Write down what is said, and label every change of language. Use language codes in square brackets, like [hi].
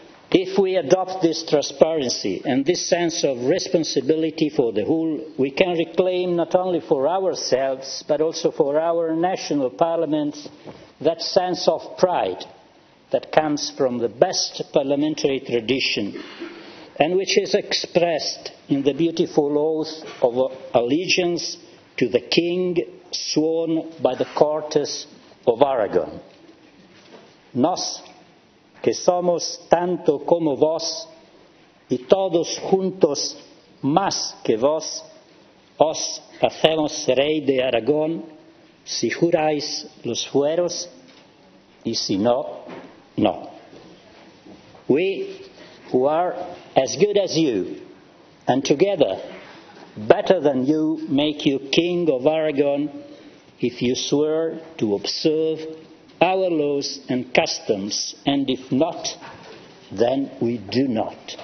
[en] If we adopt this transparency and this sense of responsibility for the whole, we can reclaim not only for ourselves, but also for our national parliaments, that sense of pride that comes from the best parliamentary tradition and which is expressed in the beautiful oath of allegiance to the king sworn by the Cortes of Aragon. [es] Nos, que somos tanto como vos, y todos juntos más que vos, os hacemos rey de Aragón, si juráis los fueros, y si no, no. [en] We, who are as good as you, and together, better than you, make you king of Aragon if you swear to observe our laws and customs, and if not, then we do not."